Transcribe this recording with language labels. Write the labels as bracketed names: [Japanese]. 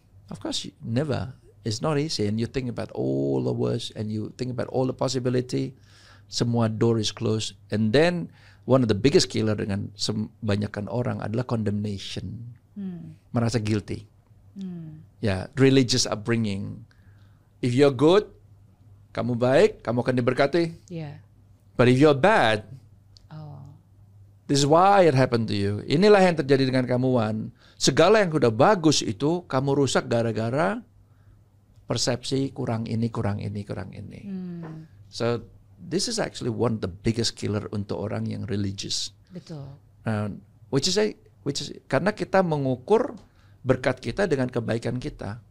[English] Of course, never. It's not easy, and you think about all the worst, and you think about all the possibility. [Indonesian] Semua [English] door is closed, and then one of the biggest killer [Indonesian] dengan sebanyakan orang adalah [English] condemnation, [Indonesian] merasa [English] guilty. Ya, yeah, religious upbringing. If you're good, [Indonesian] kamu baik, kamu akan diberkati. [English] Yeah. But if you're bad, this is why it happened to you. [Indonesian] Inilah yang terjadi dengan kamu, Wan. Segala yang sudah bagus itu kamu rusak gara-gara persepsi kurang ini, kurang ini, kurang ini. [English] So this is actually one of the biggest killer [Indonesian] untuk orang yang [English] religious. [Indonesian] Betul. [English] Which is [Indonesian] karena kita mengukur berkat kita dengan kebaikan kita.